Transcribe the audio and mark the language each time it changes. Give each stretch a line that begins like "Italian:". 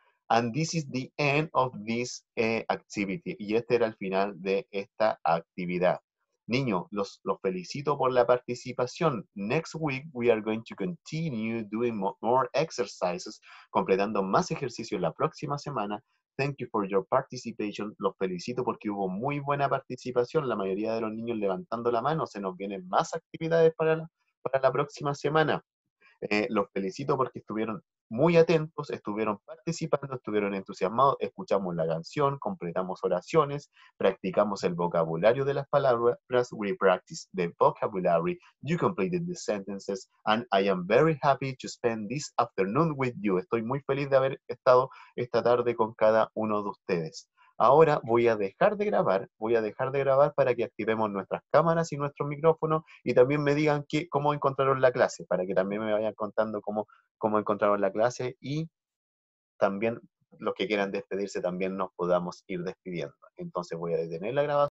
English: And this is the end of this activity.
Spanish: Y este era el final de esta actividad. Niño, los felicito por la participación.
English: Next week we are going to continue doing more exercises,
Spanish: completando más ejercicios la próxima semana.
English: Thank you for your participation.
Spanish: Los felicito porque hubo muy buena participación. La mayoría de los niños levantando la mano. Se nos vienen más actividades para la próxima semana. Los felicito porque estuvieron muy atentos, estuvieron participando, estuvieron entusiasmados. Escuchamos la canción, completamos oraciones, practicamos el vocabulario de las palabras.
English: We practice the vocabulary. You completed the sentences. And I am very happy to spend this afternoon with you.
Spanish: Estoy muy feliz de haber estado esta tarde con cada uno de ustedes. Ahora voy a dejar de grabar para que activemos nuestras cámaras y nuestro micrófono y también me digan cómo encontraron la clase, para que también me vayan contando cómo encontraron la clase y también los que quieran despedirse también nos podamos ir despidiendo. Entonces voy a detener la grabación.